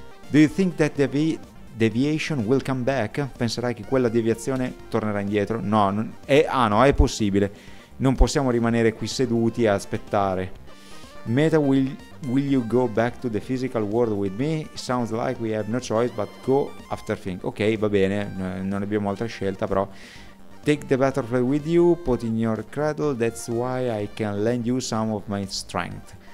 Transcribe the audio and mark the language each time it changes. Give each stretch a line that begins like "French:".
English: Do you think that the deviation will come back?
Italian: Penserai che quella deviazione tornerà indietro? No, non è, ah no, è possibile. Non possiamo rimanere qui seduti a aspettare.
English: Meta, will you go back to the physical world with me? Sounds like we have no choice but go after thing.
Italian: Ok, va bene, non abbiamo altra scelta, però.
English: Take the butterfly with you, put in your cradle, that's why I can lend you some of my strength.